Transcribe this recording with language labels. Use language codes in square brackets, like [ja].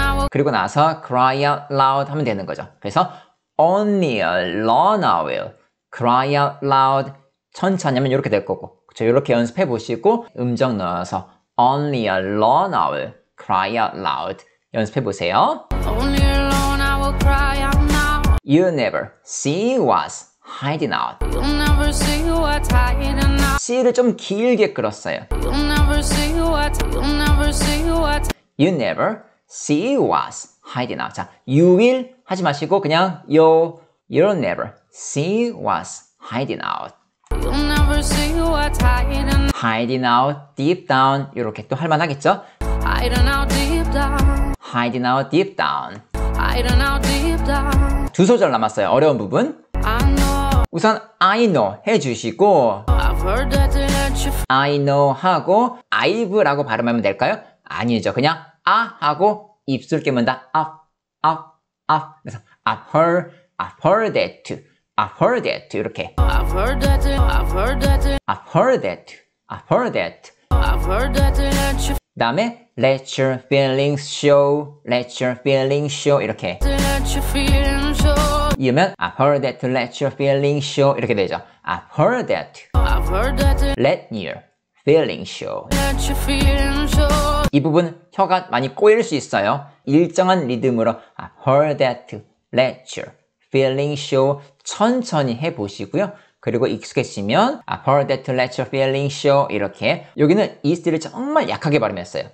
[ko] 그리고 나서 [en] cry out loud [ko] 하면 되는 거죠. 그래서 [en] Only a loner will cry out loud. [ko] 천천히 하면 이렇게 될 거고. 그렇죠? 이렇게 연습해 보시고 음정 넣어서 [en] Only a loner will cry out loud. [ko] 연습해 보세요. [en] Only a loner will cry out now. You'll never see what's hiding out. You'll never see what's hiding out. [ko] See를 좀 길게 끌었어요. [en] You'll never see what, you'll never see what. You'll never see what's hiding out. [ko] 자, [en] you will 하지 마시고 그냥 you'll never see what's hiding out. You'll never see what's hiding out. Hiding out deep down [ko] 이렇게 또 할 만하겠죠? [en] Hiding out deep down. Hiding out deep down. Hiding out deep down. [ko] 두 소절 남았어요. 어려운 부분. [en] I know. [ko] 우선 [en] I know [ko] 해 주시고 [en] I've heard that they let you. I know [ko] 하고 I've라고 발음하면 될까요? 아니죠. 그냥 아 하고 입술 깨문다. 아, 아. [en] I've heard, I've heard that too. I've heard that too. [ko] 이렇게. [en] I've heard that. I've heard that. I've heard that. I've heard that. I've heard that. [ko] 다음에 [en] let your feelings show. Let your feelings show. [ko] 이렇게. [en] Let your feelings show. [ko] 이러면 [en] I've heard that. Let your feelings show. [ko] 이렇게 되죠. [en] I've heard that. I've heard that. Let your feelings show. Let your feelings show. [ko] 이 부분 혀가 많이 꼬일 수 있어요. 일정한 리듬으로 [en] I've heard that, let your feeling show [ko] 천천히 해보시고요. 그리고 익숙해지면 [en] I've heard that, let your feeling show [ko] 이렇게 여기는 ESD를 정말 약하게 발음했어요.